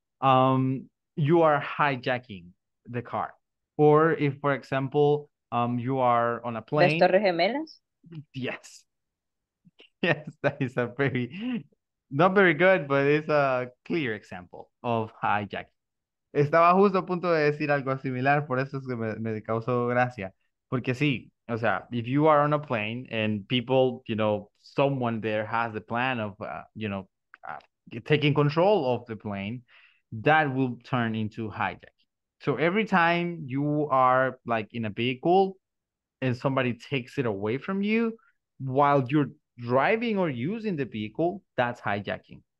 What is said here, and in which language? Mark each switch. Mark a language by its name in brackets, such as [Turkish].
[English] You are hijacking the car. Or if, for example, you are on a plane. [Spanish] Las Torres Gemelas? [English] Yes. Yes, that is a very, not very good, but it's a clear example of hijacking. [Spanish] Estaba justo a punto de decir algo similar, por eso es que me causó gracia. Porque sí. O sea, [English] if you are on a plane and people, you know, someone there has the plan of, you know, taking control of the plane, that will turn into hijacking. So every time you are like in a vehicle and somebody takes it away from you while you're driving or using the vehicle, that's hijacking.